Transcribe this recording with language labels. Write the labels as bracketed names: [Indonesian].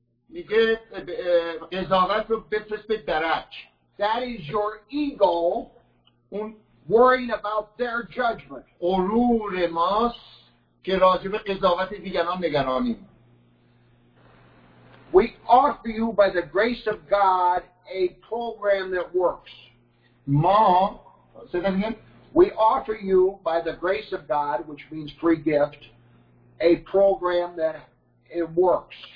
[Persian] میگه قضاوت رو بفرست به درک. [English] That is your ego worrying about their judgment. [Persian] غرور ماست که راجع به قضاوت دیگران نگرانیم. [English] We offer you by the grace of God a program that works. Ma, say that again. We offer you by the grace of God, which means free gift, a program that it works.